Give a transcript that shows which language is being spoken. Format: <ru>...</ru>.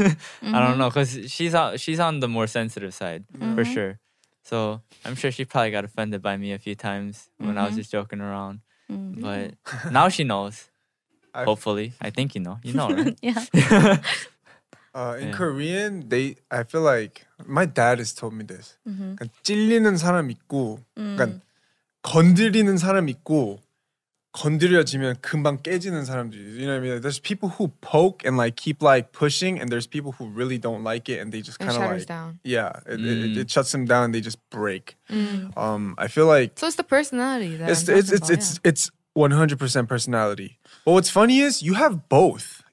<en>I don't know, cause she's on the more sensitive side for sure. So I'm sure she probably got offended by me a few times when I was just joking around. Mm-hmm. But now she knows. Hopefully. I think you know. You know, right? Yeah. Korean, I feel like… My dad has told me this. Mm-hmm.</en> <ko>찔리는 사람 있고… 건드리는 사람 있고… 건드려지면 금방 깨지는 사람들.</ko> <en>You know what I mean? There's people who poke and like keep like pushing. And there's people who really don't like it. And they just kind of like… down. Yeah. It shuts them down. And they just break. Mm. I feel like… So it's the personality. It's 100% personality. But what's funny is you have both.</en>